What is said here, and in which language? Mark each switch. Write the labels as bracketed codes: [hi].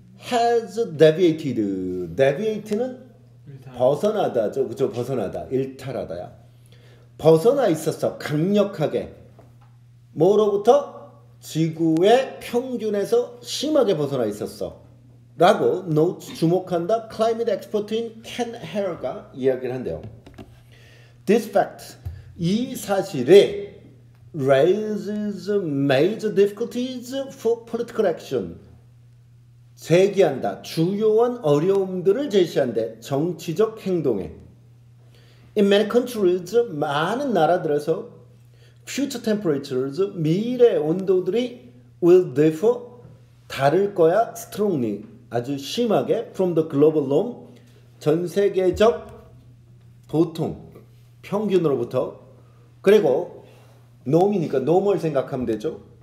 [en] has deviated. [ko] deviate는 벗어나다죠. 그죠? 벗어나다. 일탈하다야. 벗어나 있었어. 강력하게. 뭐로부터? 지구의 평균에서 심하게 벗어나 있었어 라고 노트 주목한다. climate expert인 Ken Hare가 이야기를 한대요. [en] This fact, [ko] 이 사실이 [en] raises major difficulties for political action. [ko] 제기한다. 주요한 어려움들을 제시한대. 정치적 행동에. [en] In many countries, [ko] 많은 나라들에서 [en] future temperatures, [ko] 미래 온도들이 [en] will differ, [ko] 다를 거야, strongly, 아주 심하게, [en] from the global norm, [ko] 전 세계적 보통, 평균으로부터, 그리고 norm이니까 norm을 생각하면 되죠.